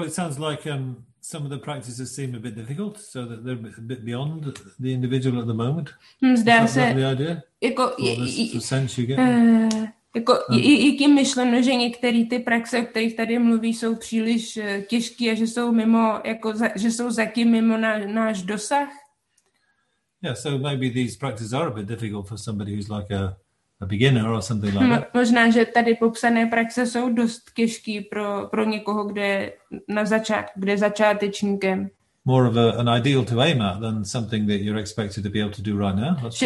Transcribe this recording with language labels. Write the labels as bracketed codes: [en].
[en] Well, it sounds like some of the practices seem a bit difficult, so that they're a bit beyond the individual at the moment. [cs] Zdá se. [en] Is that the idea? [cs] Jako, [en] the sense you get? [cs] Jako, jaký myšleno, že některé ty praxe, o kterých tady mluví, jsou příliš těžké a že jsou mimo, jako že jsou zatím mimo náš dosah? [en] Yeah, so maybe these practices are a bit difficult for somebody who's like a beginner or something like that. [cs] Možná, že tady popsané praxe jsou dost těžký pro někoho, kde je začátečníkem. [en] More of an ideal to aim at than something that you're expected to be able to do right now.